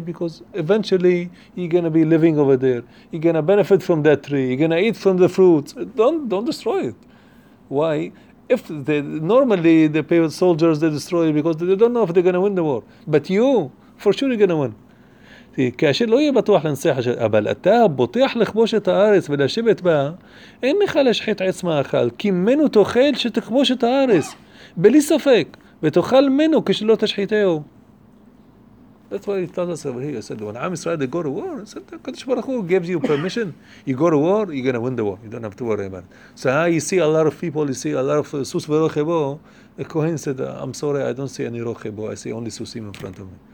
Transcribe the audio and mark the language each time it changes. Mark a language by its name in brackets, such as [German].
[English] Because eventually you're going to be living over there. You're going to benefit from that tree. You're going to eat from the fruits. Don't destroy it. Why? If they, normally the soldiers, they destroy it because they don't know if they're going to win the war. But you, for sure you're going to win. [Hebrew] כאשר לא יהיה בטוח לנצח אשר, אבל אתה בוטח לכבוש את הארץ ולשבת בה, אין לך לשחית עץ מאכל, כי מנו תאכל שתכבוש את הארץ, בלי ספק, ותאכל מנו כשלא תשחיתהו. [English] That's why he told us over here. He said, when Am Israel, they go to war, he said, Kadosh Baruch Hu gives you permission. You go to war, you're going to win the war. You don't have to worry about it. So you see a lot of people, you see a lot of sus v'rochebo. The Kohen said, I'm sorry, I don't see any rochebo. I see only susim in front of me.